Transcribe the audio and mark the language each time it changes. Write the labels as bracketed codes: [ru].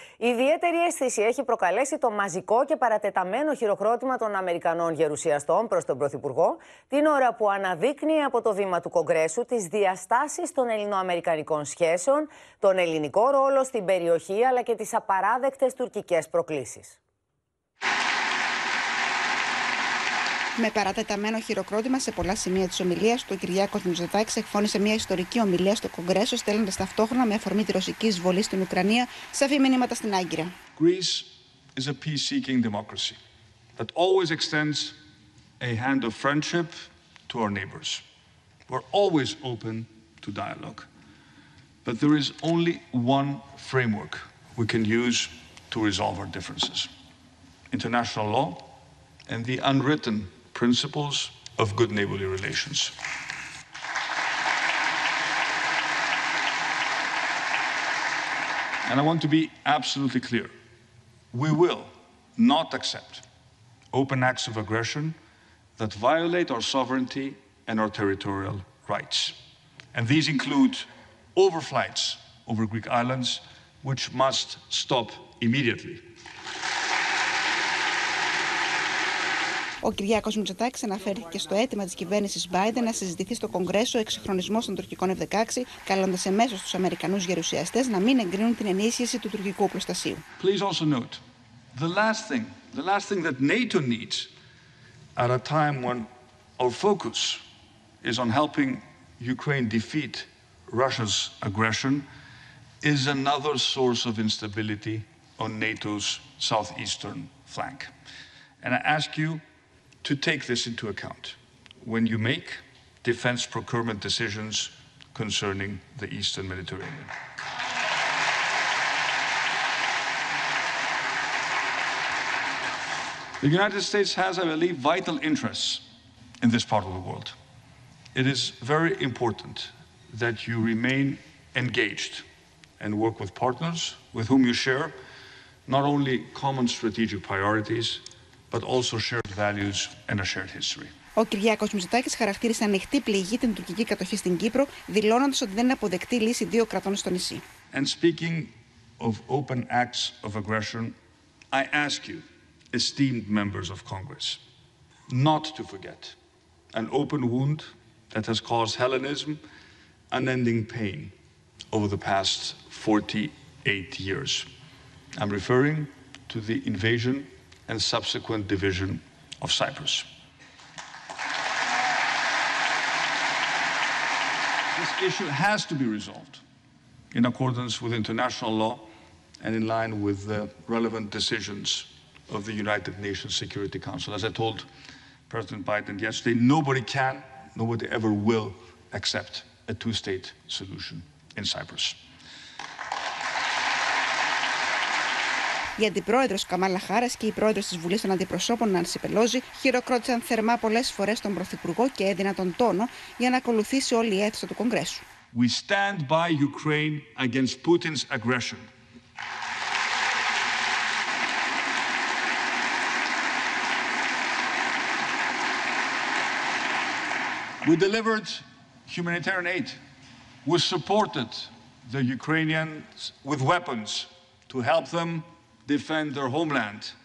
[el] Ιδιαίτερη αίσθηση έχει προκαλέσει το μαζικό και παρατεταμένο χειροκρότημα των Αμερικανών γερουσιαστών προς τον Πρωθυπουργό, την ώρα που αναδείκνυε από το βήμα του Κογκρέσου τις διαστάσεις των ελληνοαμερικανικών σχέσεων, τον ελληνικό ρόλο στην περιοχή αλλά και τις απαράδεκτες τουρκικές προκλήσεις. Με παρατεταμένο χειροκρότημα σε πολλά σημεία της ομιλίας του, ο Κυριάκος Μητσοτάκης εκφώνησε μια ιστορική ομιλία στο Κογκρέσο, στέλνοντας ταυτόχρονα με αφορμή τη ρωσική εισβολή στην Ουκρανία σαφή μηνύματα στην Άγκυρα. [en] Greece is a peace-seeking democracy that always extends a hand of friendship to our neighbors. We're always open to dialogue. But there is only one framework we can use to resolve our differences. International law and the unwritten principles of good neighborly relations. And I want to be absolutely clear. We will not accept open acts of aggression that violate our sovereignty and our territorial rights. And these include overflights over Greek islands, which must stop immediately. [el] Ο Κυριάκος Μητσοτάκης αναφέρθηκε στο αίτημα της κυβέρνησης Biden να συζητηθεί στο Κογκρέσο ο εξυγχρονισμός των τουρκικών F-16, καλώντας εμέσως τους Αμερικανούς γερουσιαστές να μην εγκρίνουν την ενίσχυση του τουρκικού προστασίου. [en] Please also note, the last thing that NATO needs at a time when our focus is on helping Ukraine defeat Russia's aggression is another source of instability on NATO's southeastern flank. And I ask you to take this into account when you make defense procurement decisions concerning the Eastern Mediterranean. The United States has, I believe, vital interests in this part of the world. It is very important that you remain engaged and work with partners with whom you share not only common strategic priorities, but also shared values and a shared history. [el] Ο Κυριάκος Μητσοτάκης χαρακτήρισε ανοιχτή πληγή την τουρκική κατοχή στην Κύπρο, δηλώνοντας ότι δεν αποδεκτεί λύση δύο κρατών στο νησί. [en] And speaking of open acts of aggression, I ask you, esteemed members of Congress, not to forget an open wound that has caused Hellenism unending pain over the past 48 years. I'm referring to the invasion and subsequent division of Cyprus. This issue has to be resolved in accordance with international law and in line with the relevant decisions of the United Nations Security Council. As I told President Biden yesterday, nobody can, nobody ever will accept a two-state solution in Cyprus. [el] Η αντιπρόεδρος Καμάλα Χάρας και η πρόεδρος της Βουλής των Αντιπροσώπων, Νάνση Πελόζη, χειροκρότησαν θερμά πολλές φορές τον Πρωθυπουργό και έδιναν τον τόνο για να ακολουθήσει όλη η αίθουσα του Κογκρέσου. [en] We stand by Ukraine against Putin's aggression. We delivered humanitarian aid. We supported the Ukrainians with weapons to help them defend their homeland.